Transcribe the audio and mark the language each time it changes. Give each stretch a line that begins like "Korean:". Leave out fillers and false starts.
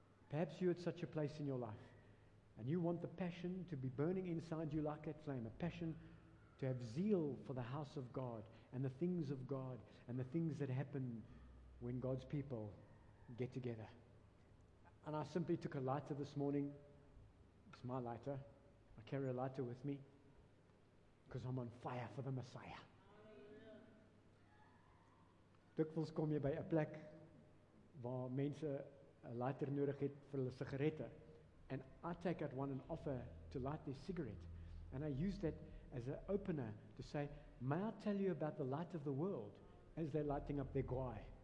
English: Perhaps you're at such a place in your life and you want the passion to be burning inside you like that flame, a passion to have zeal for the house of God and the things of God and the things that happen when God's people get together. And I simply took a lighter this morning. It's my lighter. I carry a lighter with me because I'm on fire for the Messiah.
Afrikaans: Dikwels kom jy by 'n plek waar mense 'n lighter nodig het vir hulle sigarette.
English: And I take out one and offer to light their cigarette. And I use that as an opener to say, may I tell you about the light of the world as they're lighting up their guai.